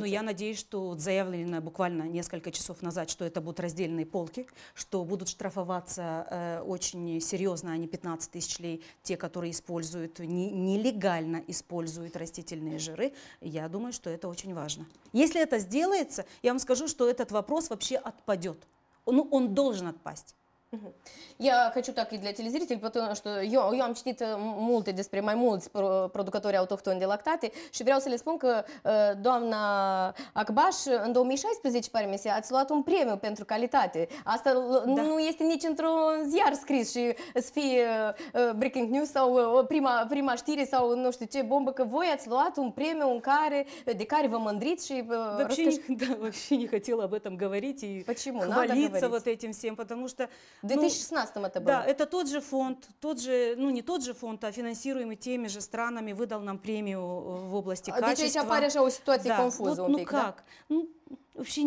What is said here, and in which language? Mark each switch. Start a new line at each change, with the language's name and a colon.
Russian: Ну, я надеюсь, что заявлено буквально несколько часов назад, что это будут раздельные полки, что будут штрафоваться очень серьезно, а не 15 тысяч лей, те, которые используют, нелегально используют растительные жиры. Я думаю, что это очень важно. Если это сделается, я вам скажу, что этот вопрос вообще отпадет. Он должен отпасть. Я хочу так и для телезрителей, потому что
Romanian: eu am citit multe despre mai mulți producători autohtoni de lactate și vreau să le spun că doamna Acbaș în 2016, pare mi se, ați luat un premiu pentru calitate. Asta nu este nici într-un ziar scris și să fie breaking news sau prima știre sau nu știu ce bombă, că voi ați luat un premiu în care, de care vă mândriți și
Russian: вообще не хотела об этом говорить и хвалиться вот этим всем, потому что в 2016-м это было. Да, это тот же фонд, не тот же фонд, а финансируемый теми же странами, выдал нам премию в области качества. Здесь опаришь о ситуации конфуза. Ну как? Ну, вообще очень